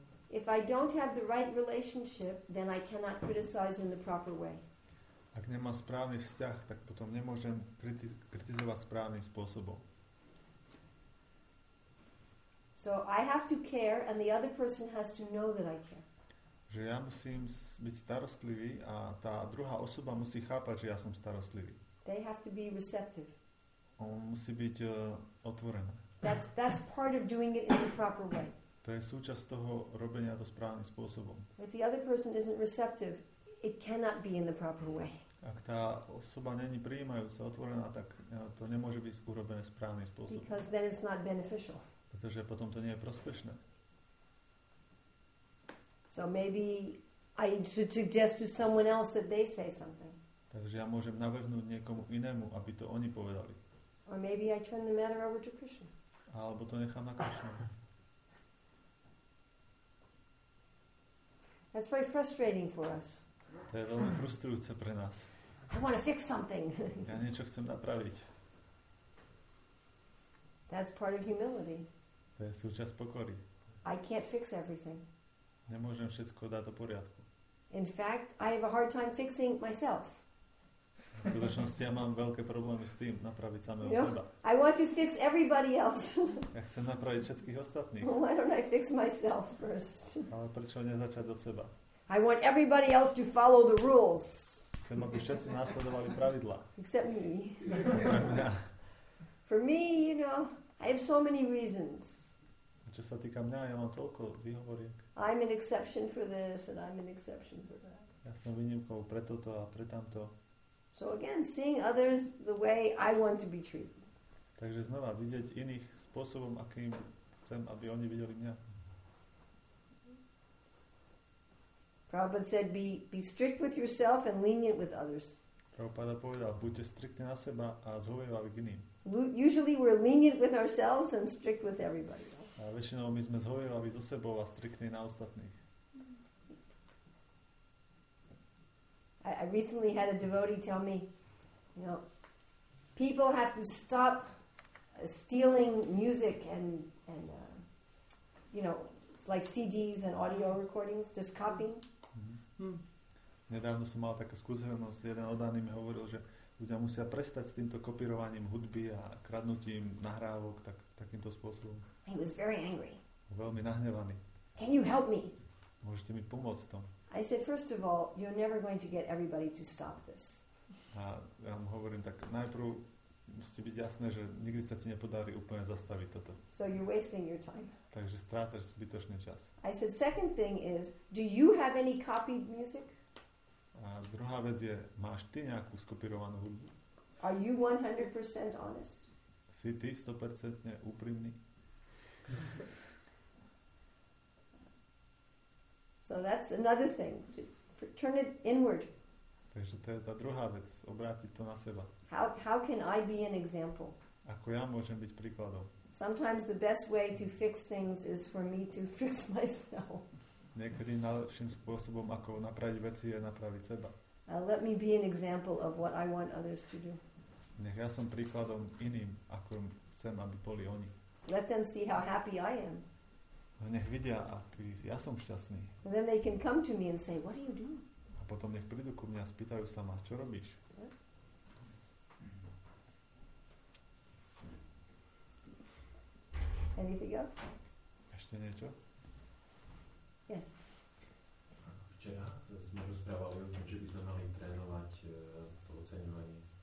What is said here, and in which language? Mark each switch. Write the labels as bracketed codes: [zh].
[en] If I don't have the right relationship, then I cannot criticize in the proper way. [sk] Ak nemám správny vzťah, tak potom nemôžem kritizovať správnym spôsobom. [en] So I have to care and the other person has to know that I care. [sk] Že ja musím byť starostlivý a tá druhá osoba musí chápať, že ja som starostlivý. [en] They have to be receptive. [sk] On musí byť otvorený. [en] That's part of doing it in the proper way. [sk] To je súčasť toho robenia to správnym spôsobom. [en] If the other person isn't receptive, it cannot be in the proper way. [sk] Ak tá osoba není prijímajúca, otvorená, tak to nemôže byť urobené správnym spôsobom. [en] Because then it's not beneficial. [sk] Pretože potom to nie je prospešné. [en] So maybe I should suggest to someone else that they say something. [sk] Takže ja môžem navrhnúť niekomu inému, aby to oni povedali. [en] Or maybe I turn the matter over to Krishna. [sk] Alebo to nechám na Krishna. [en] That's very frustrating for us. [sk] To je veľmi frustrujúce pre nás. [en] I want to fix something. [sk] Ja niečo chcem napraviť. [en] That's part of humility. [sk] To je súčasť pokory. [en] I can't fix everything. [sk] Nemôžem všetko dať do poriadku. [en] In fact, I have a hard time fixing myself. [sk] V skutočnosti ja mám veľké problémy s tým napraviť samého seba. [en] I want to fix everybody else. [sk] Ja chcem napraviť všetkých ostatných. [en] Well, why don't I fix myself first? [sk] Ale prečo nezačať od seba? [en] I want everybody else to follow the rules. [sk] Chcem, aby všetci nasledovali pravidlá. [en] Except me. For me, you know, I have so many reasons. [sk] Čo sa týka mňa, ja mám toľko výhovoriek. [en] I'm an exception for this and I'm an exception for that. [sk] Ja som výnimkou pre toto a pre tamto. [en] So again, seeing others the way I want to be treated. [sk] Takže znova, vidieť iných spôsobom, akým chcem, aby oni videli mňa. [en] Prabhupada said, be strict with yourself and lenient with others. [sk] Prabhupada povedal, buďte striktne na seba a zhovievali k iným. [en] Usually we're lenient with ourselves and strict with everybody else. [sk] A väčšinou my sme zhovievali so sebou a striktní na ostatných. [en] I recently had a devotee tell me, you know, people have to stop stealing music and you know, like CDs and audio recordings, just copying. [sk] Nedávno som mal takú skúsenosť, jeden oddaný mi hovoril, že ľudia musia prestať s týmto kopírovaním hudby a kradnutím nahrávok tak, takýmto spôsobom. [en] He was very angry. [sk] Veľmi nahnevaný. [en] Can you help me? [sk] Môžete mi pomôcť tom? [en] I said, first of all, you're never going to get everybody to stop this. [sk] A ja mu hovorím, tak najprv musíte byť jasné, že nikdy sa ti nepodarí úplne zastaviť toto. [en] So you're wasting your time. [sk] Takže strácaš zbytočný čas. [en] I said, second thing is, do you have any copied music? [sk] A druhá vec je, máš ty nejakú skopírovanú hudbu? [en] Are you 100% honest? [sk] Si ty 100% úprimný? [en] So that's another thing. Turn it inward. [sk] Takže to je tá druhá vec, obrátiť to na seba. [en] How can I be an example? [sk] Ako ja môžem byť príkladom? [en] Sometimes the best way to fix things is for me to fix myself. [sk] Niekedy najlepším spôsobom, ako napraviť veci, je napraviť seba. [en] Let me be an example of what I want others to do. [sk] Nech ja som príkladom iným, ako chcem, aby boli oni. [en] Let them see how happy I am. [sk] Nech vidia, aký ja som šťastný. [en] And then they can come to me and say, what do you do? [sk] A potom nech prídu ku mne a spýtajú sa ma, čo robíš? [en] Anything else? [sk] Ešte niečo? [en] Yes. [sk] Včera sme rozprávali o tom, že by sme mali trénovať to oceňovanie.